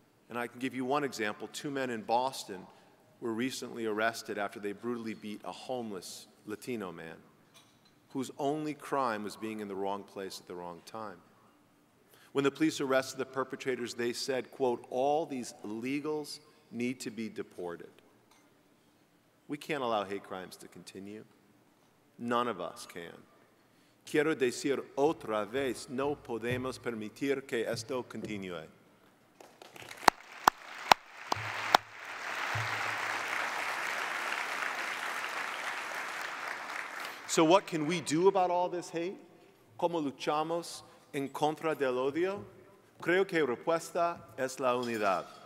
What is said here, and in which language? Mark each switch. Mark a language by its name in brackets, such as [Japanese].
[English] And I can give you one example. Two men in Boston were recently arrested after they brutally beat a homeless Latino man whose only crime was being in the wrong place at the wrong time. When the police arrested the perpetrators, they said, quote, "All these illegals need to be deported." We can't allow hate crimes to continue. None of us can. [Spanish] Quiero decir otra vez, no podemos permitir que esto continúe. [English] So what can we do about all this hate? [Spanish] ¿Cómo luchamos en contra del odio? Creo que respuesta es la unidad.